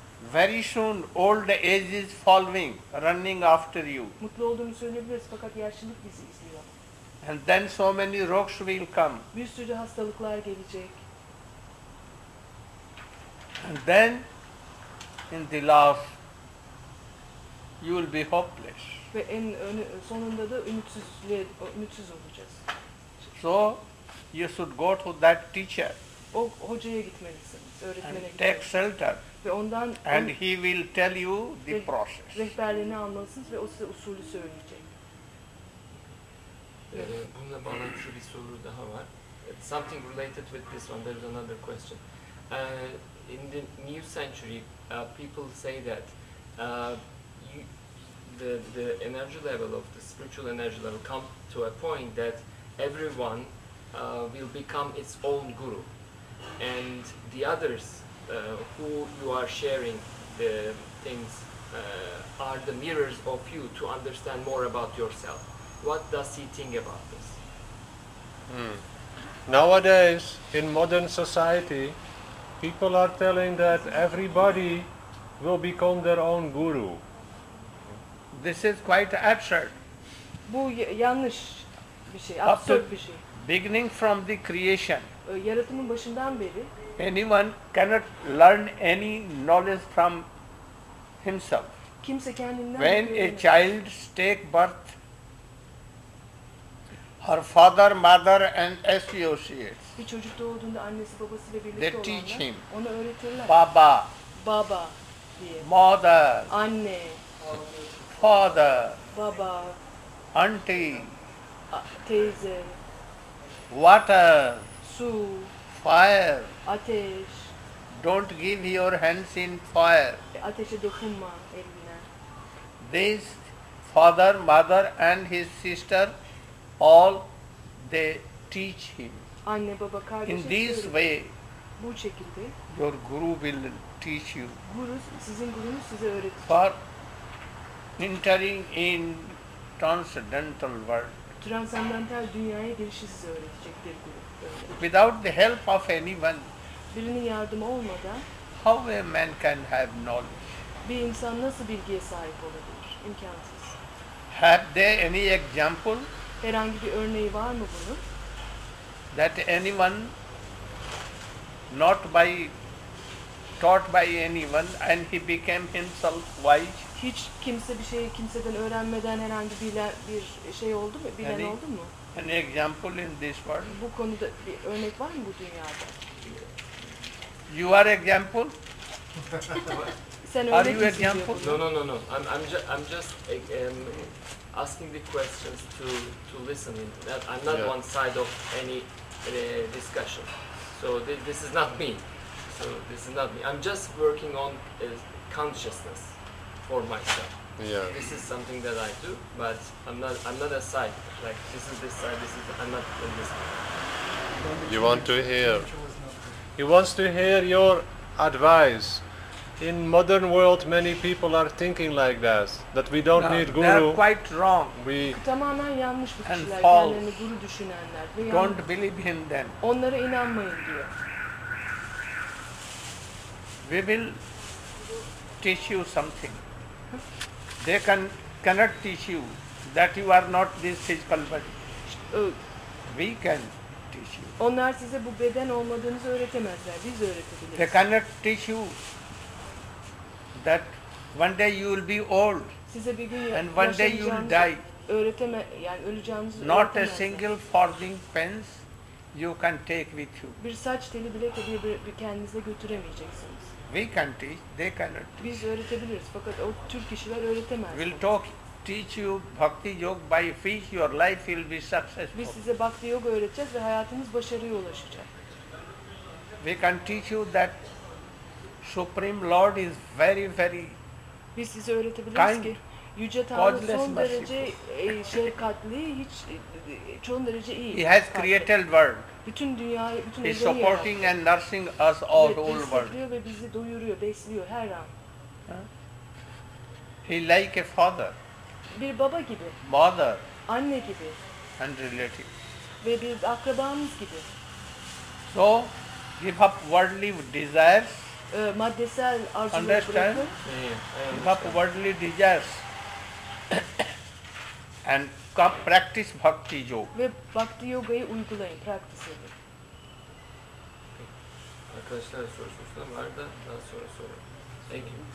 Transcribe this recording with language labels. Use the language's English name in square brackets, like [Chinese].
[English] Very soon old age is following, running after you. [Turkish] Mutlu olduğunu söyleyebiliriz fakat yaşlılık bizi izliyor. [English] And then so many rocks will come. [Turkish] Bir sürü hastalıklar gelecek. [English] And then in the last you will be hopeless. [Turkish] Ve en sonunda da ümitsiz olacağız. [English] So you should go to that teacher. [Turkish] O hocaya gitmelisiniz, öğretmene gitmelisiniz. [English] And take shelter. [Turkish] Ve ondan [English] and he will tell you the process. [Turkish] Rehberliğini almalısınız ve o size usulü söyleyecek. Bununla bana şu bir soru daha var. [English] It's something related with this one. There is another question. In the new century, people say that the energy level of the spiritual energy level come to a point that everyone will become its own guru, and the others. Who you are sharing the things are the mirrors of you to understand more about yourself. What does he think about this? Nowadays, in modern society, people are telling that everybody will become their own guru. This is quite absurd. [Turkish] Bu yanlış bir şey, absurd bir şey. [English] Beginning from the creation. [Turkish] Yaratımın başından beri. [English] Anyone cannot learn any knowledge from himself. [Turkish] Kimse kendinden. [English] When a child take birth, her father, mother and associates. [Turkish] Bir çocuk doğduğunda annesi babası ile birlikte olanlar. [English] They teach him. [Turkish] Onu öğretirler. Baba. Baba diye. [English] Mother. [Turkish] Anne. [English] Father. [Turkish] Baba. [English] Auntie. [Turkish] Teyze. [English] Water. [Turkish] Su. [English] Fire. [Turkish] Ateş. [English] Don't give your hands in fire. [Turkish] ateşe dokunma eline. [English] This father, mother and his sister, all they teach him. [Turkish] Anne baba kardeş. [English] In this way, [Turkish] bu şekilde. [English] Your guru will teach you. [Turkish] Guru, sizin gurunuz size öğretir. [English] For entering in transcendental world. [Turkish] Transcendental dünyaya girişi size öğretecektir guru. Öyle. [English] Without the help of anyone. [Turkish] Birinin yardımı olmadan. [English] How a man can have knowledge? [Turkish] Bir insan nasıl bilgiye sahip olabilir? İmkansız. [English] Have they any example? [Turkish] Herhangi bir örneği var mı bunun? [English] That anyone, not by taught by anyone, and he became himself wise. [Turkish] Hiç kimse bir şeyi kimseden öğrenmeden herhangi bir şey oldu mu? Bilen oldu mu? [English] Any example in this world? [Turkish] Bu konuda bir örnek var mı bu dünyada? [English] You are example. [Turkish] Sen [English] are [Turkish] örnek [English] you example? No. I'm just asking the questions to listen in. I'm not one side of any discussion. So this is not me. I'm just working on consciousness for myself. Yeah. This is something that I do, but I'm not a side. Like this is this side. This is I'm not in this. You want to hear? He wants to hear your advice. In modern world, many people are thinking like this, that we don't need guru. They are quite wrong. We [Turkish] tamamen yanlış bu [English] and [Turkish] kişiler, [English] false. [Turkish] Kendilerini guru düşünenler. Ve [English] don't believe in them. [Turkish] Onlara inanmayın diyor. [English] We will teach you something. They cannot teach you that you are not this physical body. We can. [Turkish] Onlar size bu beden olmadığınızı öğretemezler. Biz öğretebiliriz. [English] They cannot teach you that one day you will be old. [Turkish] Size bir gün [English] and one day you will die. [Turkish] Öğreteme yani öleceğiniz. Not a single farthing pence you can take with you. Bir saç teli bile bir kendinize götüremeyeceksiniz. [English] We can teach, they cannot. [Turkish] Biz öğretebiliriz fakat o tür kişiler öğretemez. [English] We'll talk. Teach you bhakti yoga by which your life will be successful. [Turkish] Biz size bhakti yoga öğreteceğiz ve hayatınız başarıya ulaşacak. [English] We can teach you that Supreme Lord is very very. [Turkish] Biz size öğretebiliriz ki yüce Tanrı son derece şefkatli, hiç çoğun derece iyi. [English] He has created world. [Turkish] Bütün dünyayı, bütün evreni. [English] He is supporting and nursing us all over. [Turkish] Besliyor ve bizi doyuruyor, besliyor her an. [English] He like a father. [Turkish] Bir baba gibi. [English] Mother. [Turkish] Anne gibi. [English] And relative. [Turkish] Ve bir akrabamız gibi. [English] So, give up worldly desires. [Turkish] Maddesel arzuları bırakın. [English] Understand? Yeah, give up worldly desires. And come practice bhakti yoga. [Turkish] Ve bhakti yogayı uygulayın, practice edin. Arkadaşlar soru var da daha sonra soralım.